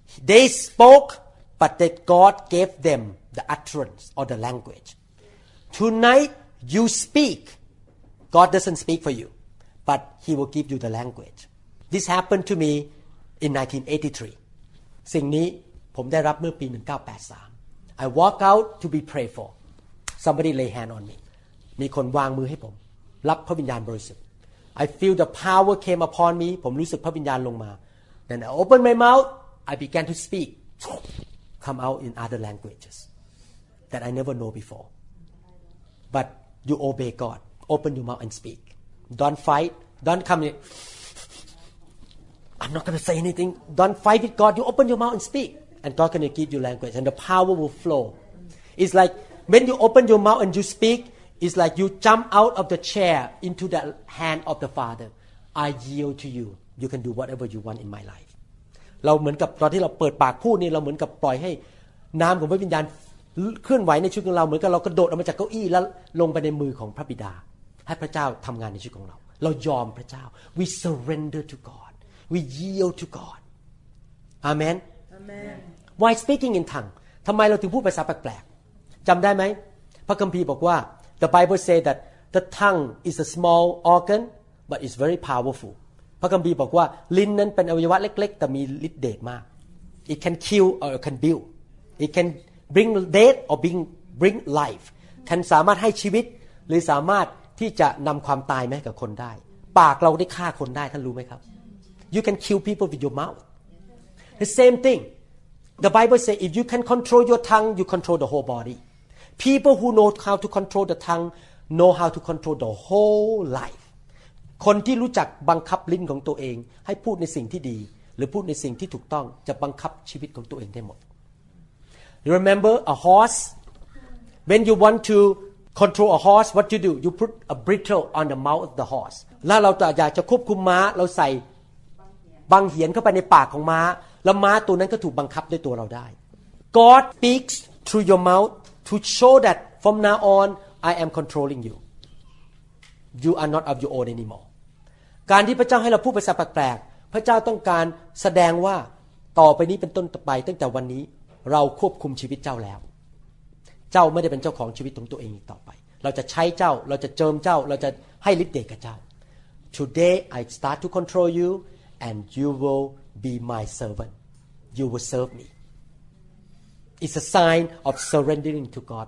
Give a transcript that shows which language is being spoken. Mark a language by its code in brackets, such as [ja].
[en] They spoke but that God gave them the utterance or the language Tonight you speak God doesn't speak for you but he will give you the language This happened to me in 1983 [th] สิ่งนี้ผมได้รับเมื่อปี1983 [en] I walk out to be prayed for Somebody lay hand on me [th] มีคนวางมือให้ผมรับพระวิญญาณบริสุทธิ์ [en] I feel the power came upon me. [th] ผมรู้สึกพระวิญญาณลงมา [en] Then I opened my mouth. I began to speak. Come out in other languages that I never know before. But you obey God. Open your mouth and speak. Don't fight. Don't come in. I'm not going to say anything. Don't fight with God. You open your mouth and speak. And God going to give you language. And the power will flow. It's like when you open your mouth and you speak,It's like you jump out of the chair into the hand of the Father. I yield to you. You can do whatever you want in my life. [th] เราเหมือนกับตอนที่เราเปิดปากพูดนี่เราเหมือนกับปล่อยให้น้ำของพระวิญญาณเคลื่อนไหวในชีวิตของเราเหมือนกับเรากระโดดออกมาจากเก้าอี้แล้วลงไปในมือของพระบิดาให้พระเจ้าทำงานในชีวิตของเราเรายอมพระเจ้า [en] We surrender to God. We yield to God. Amen. Amen. Why speaking in tongues? [th] ทำไมเราถึงพูดภาษาแปลกๆจำได้ไหมพระคัมภีร์บอกว่า [en] The Bible say that the tongue is a small organ, but it's very powerful. [th] พระคัมภีร์บอกว่าลิ้นนั้นเป็นอวัยวะเล็กๆแต่มีฤทธิ์เดชมาก [en] It can kill or it can build. It can bring death or bring life. [th] Can สามารถให้ชีวิตหรือสามารถที่จะนำความตายมาให้กับคนได้ปากเราได้ฆ่าคนได้ท่านรู้ไหมครับ [en] You can kill people with your mouth. The same thing. The Bible say if you can control your tongue, you control the whole body. People who know how to control the tongue know how to control the whole life. [th] คนที่รู้จักบังคับลิ้นของตัวเองให้พูดในสิ่งที่ดีหรือพูดในสิ่งที่ถูกต้องจะบังคับชีวิตของตัวเองได้หมด [en] You remember a horse? When you want to control a horse, what you do? You put a bridle on the mouth of the horse. [th] แล้วเราอยากจะควบคุมม้าเราใส่บังเหียนเข้าไปในปากของม้าแล้วม้าตัวนั้นก็ถูกบังคับด้วยตัวเราได้ [en] God speaks through your mouth. To show that from now on, I am controlling you. You are not of your own anymore. [th] การที่พระเจ้าให้เราพูดภาษาแปลกๆพระเจ้าต้องการแสดงว่า ต่อไปนี้เป็นต้นไปตั้งแต่วันนี้เราควบคุมชีวิตเจ้าแล้วเจ้าไม่ได้เป็นเจ้าของชีวิตของตัวเองอีกต่อไปเราจะใช้เจ้าเราจะเจิมเจ้าเราจะให้ฤทธิ์เดชกับเจ้า [en] Today I start to control you and you will be my servant you will serve meIt's a sign of surrendering to God.